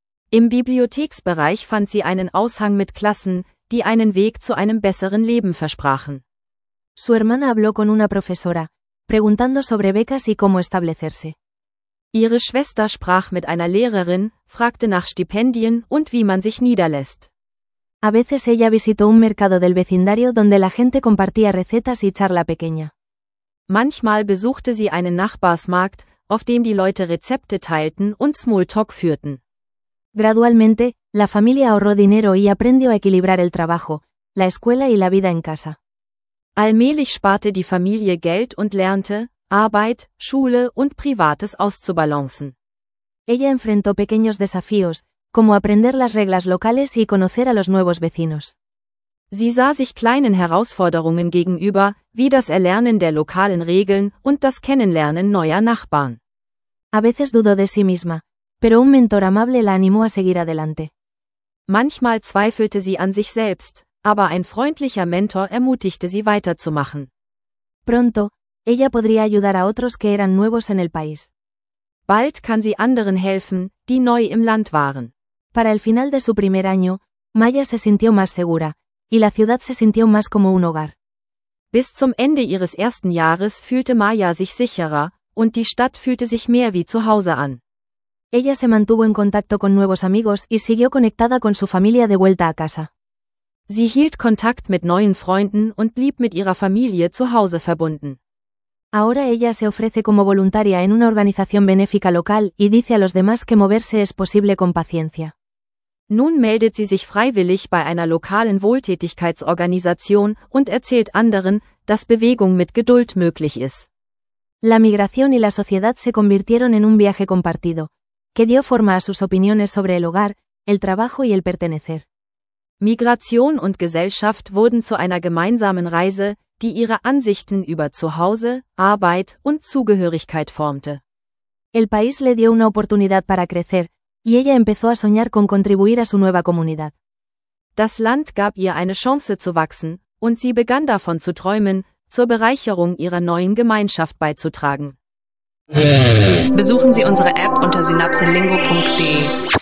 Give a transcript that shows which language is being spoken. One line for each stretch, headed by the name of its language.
German: Im Bibliotheksbereich fand sie einen Aushang mit Klassen, die einen Weg zu einem besseren Leben versprachen.
Spanish: Su hermana habló con una profesora, preguntando sobre becas y cómo establecerse.
German: Ihre Schwester sprach mit einer Lehrerin, fragte nach Stipendien und wie man sich niederlässt.
Spanish: A veces ella visitó un mercado del vecindario donde la gente compartía recetas y charla pequeña.
German: Manchmal besuchte sie einen Nachbarsmarkt, auf dem die Leute Rezepte teilten und Smalltalk führten.
Spanish: Gradualmente, la familia ahorró dinero y aprendió a equilibrar el trabajo, la escuela y la vida en casa.
German: Allmählich sparte die Familie Geld und lernte, Arbeit, Schule und Privates auszubalancen.
Spanish: Ella enfrentó pequeños desafíos, como aprender las reglas locales y conocer a los nuevos vecinos.
German: Sie sah sich kleinen Herausforderungen gegenüber, wie das Erlernen der lokalen Regeln und das Kennenlernen neuer Nachbarn.
Spanish: A veces dudó de sí misma, pero un mentor amable la animó a seguir adelante.
German: Manchmal zweifelte sie an sich selbst, aber ein freundlicher Mentor ermutigte sie weiterzumachen.
Spanish: Pronto, ella podría ayudar a otros que eran nuevos en el país.
German: Bald kann sie anderen helfen, die neu im Land waren.
Spanish: Para el final de su primer año, Maya se sintió más segura, y la ciudad se sintió más como un hogar.
German: Bis zum Ende ihres ersten Jahres fühlte Maya sich sicherer, und die Stadt fühlte sich mehr wie zu Hause an.
Spanish: Ella se mantuvo en contacto con nuevos amigos y siguió conectada con su familia de vuelta a casa.
German: Sie hielt Kontakt mit neuen Freunden und blieb mit ihrer Familie zu Hause verbunden.
Spanish: Ahora ella se ofrece como voluntaria en una organización benéfica local y dice a los demás que moverse es posible con paciencia.
German: Nun meldet sie sich freiwillig bei einer lokalen Wohltätigkeitsorganisation und erzählt anderen, dass Bewegung mit Geduld möglich ist.
Spanish: La migración y la sociedad se convirtieron en un viaje compartido, que dio forma a sus opiniones sobre el hogar, el trabajo y el pertenecer.
German: Migration und Gesellschaft wurden zu einer gemeinsamen Reise, die ihre Ansichten über Zuhause, Arbeit und Zugehörigkeit formte.
Spanish: El país le dio una oportunidad para crecer, y ella empezó a soñar con contribuir a su nueva comunidad.
German: Das Land gab ihr eine Chance zu wachsen, und sie begann davon zu träumen, zur Bereicherung ihrer neuen Gemeinschaft beizutragen. Besuchen Sie unsere App unter synapsenlingo.de.